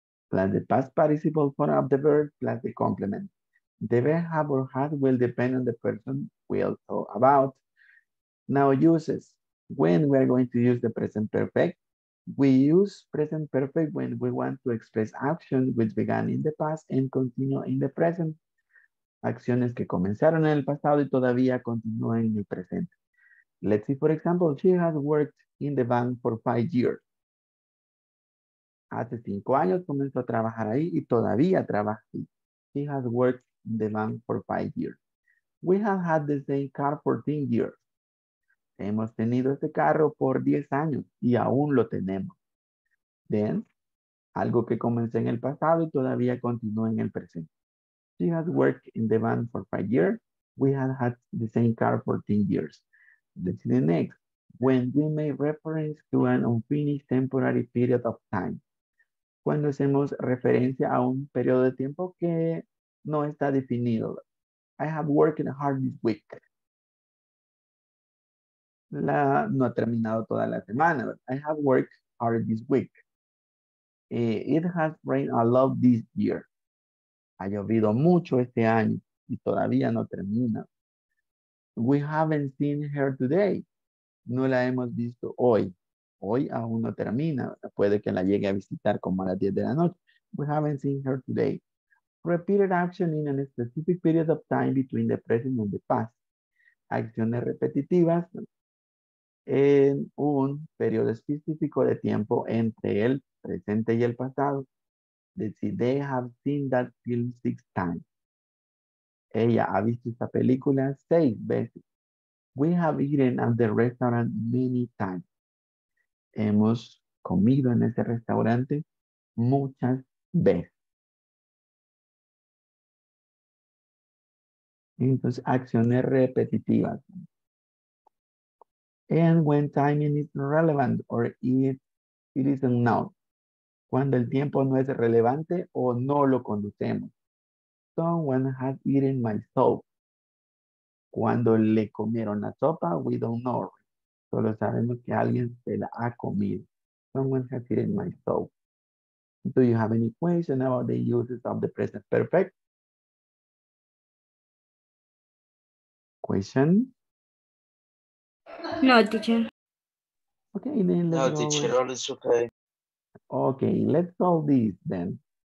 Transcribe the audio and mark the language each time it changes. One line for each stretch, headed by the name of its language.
English: Plus the past participle form of the verb plus the complement. The verb have or has will depend on the person we'll talk about. Now uses, when we're going to use the present perfect. We use present perfect when we want to express action which began in the past and continue in the present.
Spanish: Acciones que comenzaron en el pasado y todavía continúan en el presente.
English: Let's see, for example, she has worked in the bank for 5 years.
Spanish: Hace 5 años comenzó a trabajar ahí y todavía trabaja ahí.
English: She has worked in the bank for 5 years. We have had the same car for 10 years.
Spanish: Hemos tenido este carro por 10 años y aún lo tenemos. Then, algo que comenzó en el pasado y todavía continúa en el presente.
English: She has worked in the van for 5 years. We have had the same car for 10 years. Let's see the next. When we make reference to an unfinished temporary period of time.
Spanish: Cuando hacemos referencia a un periodo de tiempo que no está definido.
English: I have worked hard this week.
Spanish: No ha terminado toda la semana.
English: But I have worked hard this week. It has rained a lot this year.
Spanish: Ha llovido mucho este año y todavía no termina.
English: We haven't seen her today.
Spanish: No la hemos visto hoy. Hoy aún no termina. Puede que la llegue a visitar como a las 10 de la noche.
English: We haven't seen her today. Repeated action in a specific period of time between the present and the past.
Spanish: Acciones repetitivas en un periodo específico de tiempo entre el presente y el pasado.
English: Let's see, they have seen that film 6 times.
Spanish: Ella ha visto esta película 6 veces.
English: We have eaten at the restaurant many times.
Spanish: Hemos comido en ese restaurante muchas veces. Entonces, acciones repetitivas.
English: And when timing is relevant or it is unknown.
Spanish: Cuando el tiempo no es relevante o no lo conducemos.
English: Someone has eaten my soup.
Spanish: Cuando le comieron la sopa,
English: we don't know.
Spanish: Solo sabemos que alguien se la ha comido.
English: Someone has eaten my soup. Do you have any question about the uses of the present perfect? Question? No, teacher. Okay, then let's go. No, teacher, all is okay. Okay, let's solve this then.